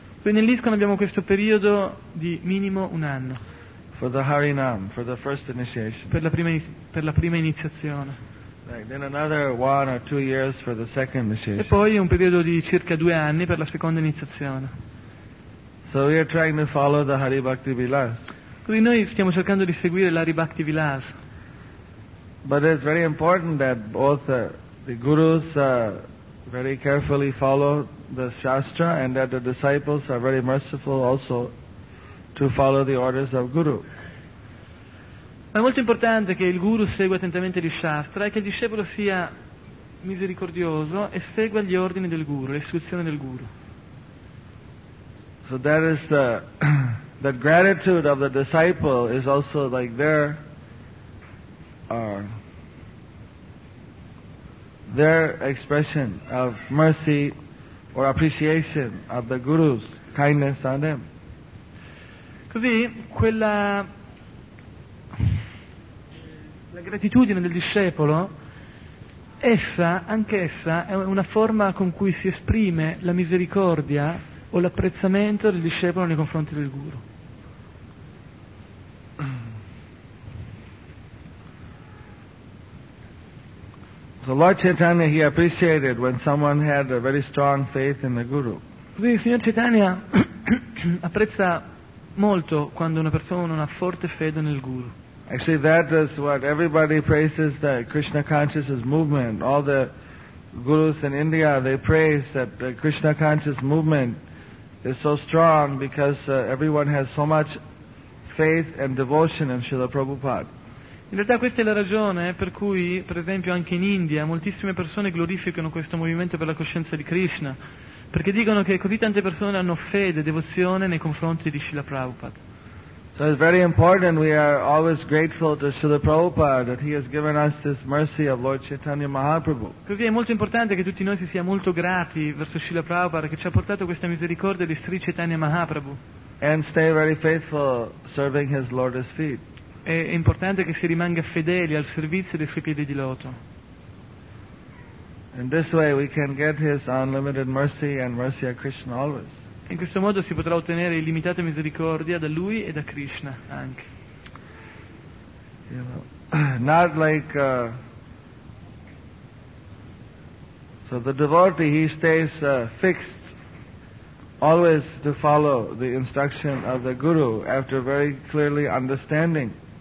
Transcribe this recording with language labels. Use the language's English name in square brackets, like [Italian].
[Italian] Quindi nell'ISKCON abbiamo questo periodo di minimo un anno. [English] For the Harinam, for the first initiation. [Italian] Per la prima iniziazione. [English] Right. Then another 1 or 2 years for the second initiation. [Italian] E poi un periodo di circa 2 anni per la seconda iniziazione. [English] So we are trying to follow the Hari Bhakti Vilas. [Italian] Quindi noi stiamo cercando di seguire l'Hari Bhakti Vilas. [English] But it's very important that both the gurus very carefully follow the Shastra and that the disciples are very merciful also to follow the orders of Guru. [Italian] Ma è molto importante che il Guru segua attentamente gli Shastra e che il discepolo sia misericordioso e segua gli ordini del Guru, l'istruzione del Guru. [English] So that is the gratitude of the disciple is also like their expression of mercy or appreciation of the Guru's kindness on them. [Italian] Così, la gratitudine del discepolo, essa, anch'essa, è una forma con cui si esprime la misericordia o l'apprezzamento del discepolo nei confronti del Guru. [English] So Lord Chaitanya, he appreciated when someone had a very strong faith in the Guru. [Italian] Quindi il signor Chaitanya apprezza molto quando una persona ha una forte fede nel Guru. [English] Actually, that is what everybody praises, the Krishna Consciousness Movement. All the gurus in India, they praise that the Krishna Consciousness Movement is so strong because everyone has so much faith and devotion in Srila Prabhupada. [Italian] In realtà questa è la ragione per cui, per esempio, anche in India moltissime persone glorificano questo movimento per la coscienza di Krishna, perché dicono che così tante persone hanno fede, devozione nei confronti di Srila Prabhupada. [English] So it's very important we are always grateful to Srila Prabhupada that he has given us this mercy of Lord Chaitanya Mahaprabhu. [Italian] Così è molto importante che tutti noi si sia molto grati verso Srila Prabhupada che ci ha portato questa misericordia di Sri Chaitanya Mahaprabhu. [English] And stay very faithful serving his lotus feet. [Italian] È importante che si rimanga fedeli al servizio dei suoi piedi di loto. [English] In this way we can get his unlimited mercy and mercy of Krishna always. [Italian] In questo modo si potrà ottenere illimitata misericordia da lui e da Krishna anche. [English] You know, not like so the devotee he stays fixed always to follow the instruction of the guru after very clearly understanding.